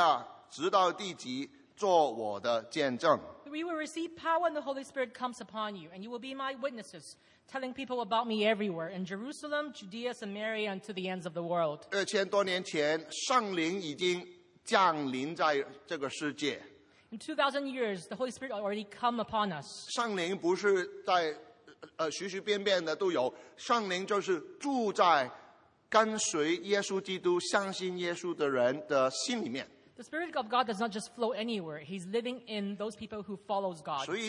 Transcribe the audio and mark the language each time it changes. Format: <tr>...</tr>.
<zh>但圣灵降临在你们身上，你们就必得着能力，并要在耶路撒冷、犹太全地、跟撒玛利亚，直到地极，做我的见证。</zh> <en>We will receive power when the Holy Spirit comes upon you, and you will be my witnesses, telling people about me everywhere, in Jerusalem, Judea, Samaria, and to the ends of the world.</en> <zh>2000多年前，圣灵已经降临在这个世界。</zh> <en>In 2,000 years, the Holy Spirit already come upon us.</en> <zh>圣灵不是在随随便便的都有，圣灵就是住在跟随耶稣基督、相信耶稣的人的心里面。The</zh> <en>Spirit of God does not just flow anywhere. He's living in those people who follow God.</en>